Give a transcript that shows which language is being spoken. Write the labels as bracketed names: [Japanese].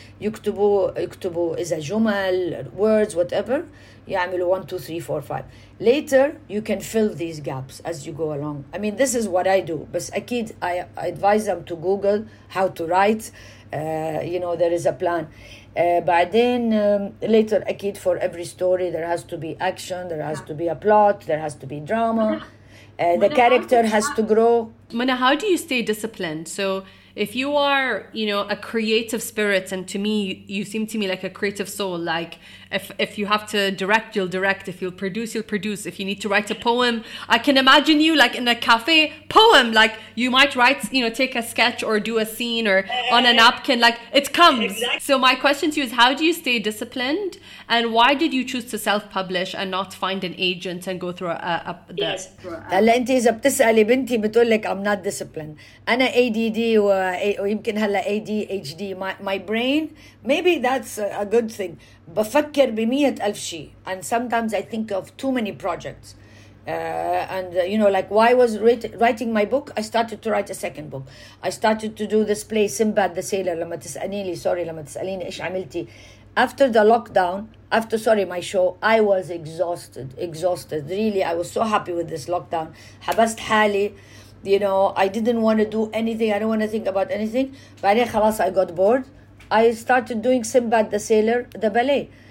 [Arabic] يكتبوا إذا جمل, [English] words, whatever, [Arabic] يعملوا 1, 2, 3, 4, 5. [English] Later, you can fill these gaps as you go along. I mean, this is what I do. [Arabic] بس أكيد [English] I advise them to Google how to write. You know, there is a plan. [Arabic] بعدين [English] later [Arabic] أكيد [English] for every story there has to be action, there has to be a plot, there has to be drama, the character has to grow. Mana, how do you stay disciplined? So if you are, you know, a creative spirit, and to me you seem to me like a creative soul, like if you have to direct, you'll direct, if you'll produce, you'll produce, if you need to write a poem, I can imagine you like in a cafe, poem, like you might write, you know, take a sketch or do a scene or on a napkin, like it comes. Exactly. So my question to you is, how do you stay disciplined, and why did you choose to self-publish and not find an agent and go through I'm not disciplined. [Arabic] أنا ADD ويمكن هلا ADHD. [English] My brain, maybe that's a good thing. [Arabic] بفكر بمية ألف شيء. [English] And sometimes I think of too many projects. You know, like why was writing my book? I started to write a second book. I started to do this play, Sinbad the Sailor. [Arabic] لما تسأليني, sorry, لما تسأليني إيش عملتي. [English] After the lockdown, my show, I was exhausted. Really, I was so happy with this lockdown. [Arabic] حبست حالي. [English] You know, I didn't want to do anything. I don't want to think about anything. But then, خلاص, I got bored. I started doing Sinbad the Sailor, the ballet.